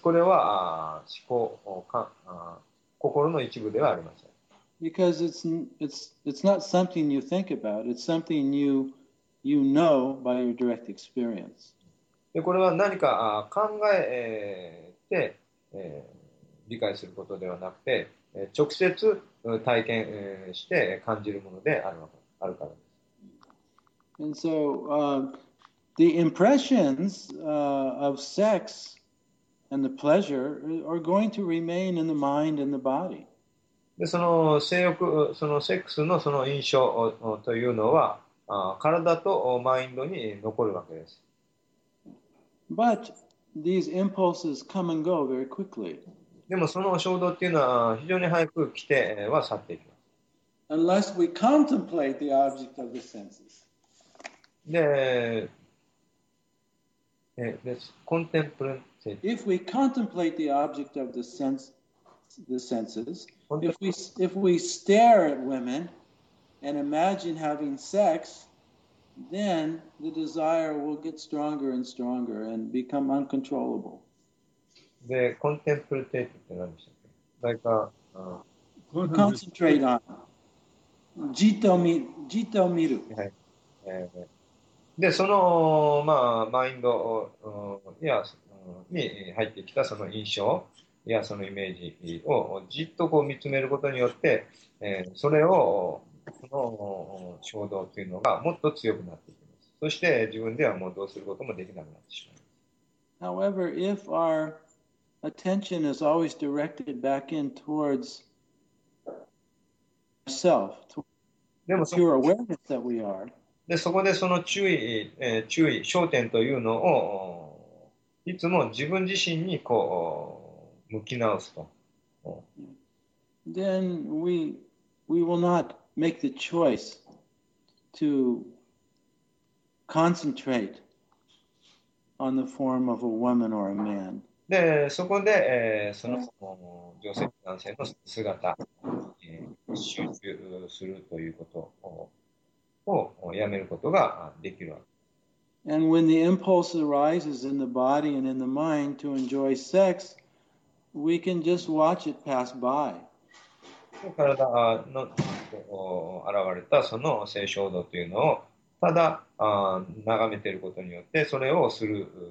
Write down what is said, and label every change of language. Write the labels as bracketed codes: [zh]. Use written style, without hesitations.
[ja] これは思考か、心の一部ではありません。 [en] Because it's not something you think about, it's something you know by your direct experience. [ja] で、これは何か考えて、理解することではなくて、直接体験して感じるものであるからです。 [en] And so, the impressions, of sex and the pleasure are going to remain in the mind and the body. [ja] で、その性欲、そのセックスのその印象というのは、体とマインドに残るわけです。 [en] But these impulses come and go very quickly. [ja] でもその衝動っていうのは非常に早く来ては去っていきます。 [en] Unless we contemplate the object of the senses. If we contemplate the object of the senses, if we stare at women and imagine having sex, then the desire will get stronger and stronger and become uncontrollable. [ja] で、コンテンプルテイトって何でしたっけ？だいたい、コンセントレイト、じっと見る。はい。で、その、まあ、マインドいやに入ってきたその印象いやそのイメージをじっとこう見つめることによって、それを、その衝動というのがもっと強くなっていきます。そして、自分ではもうどうすることもできなくなってしまいます。 [en] However, if our... Attention is always directed back in towards ourself, towards the pure awareness that we are. [ja] で、そこでその注意、焦点というのをいつも自分自身にこう向き直すと。 [en] Then we will not make the choice to concentrate on the form of a woman or a man. [ja] で、そこで、その女性と男性の姿に、集中するということ をやめることができるわけです。 [en] And when the impulse arises in the body and in the mind to enjoy sex, we can just watch it pass by. [ja] 体の現れたその性衝動というのをただ眺めていることによって、それをする。